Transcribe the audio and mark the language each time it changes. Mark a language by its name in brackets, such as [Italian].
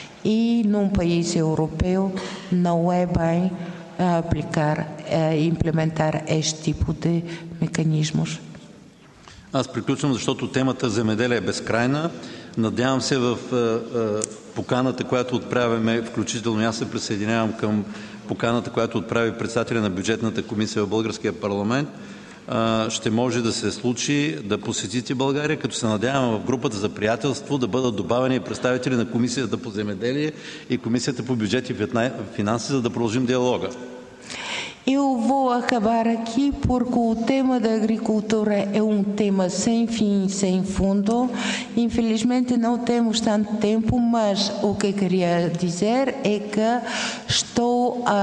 [Portuguese] E num país europeu não é bem aplicar, implementar este tipo de mecanismos. [Bulgarian] Аз приключвам, защото темата земеделие е безкрайна. Надявам се в поканата, която отправяме, включително аз се присъединявам към поканата, която отправи председателя на бюджетната комисия в Българския парламент, ще може да се случи да посетите България, като се надявам в групата за приятелство да бъдат добавени представители на комисията по земеделие и комисията по бюджет и финанси, за да продължим диалога. [Portuguese] Eu vou acabar aqui porque o tema da agricultura é um tema sem fim, sem fundo. Infelizmente não temos tanto tempo, mas o que queria dizer é que estou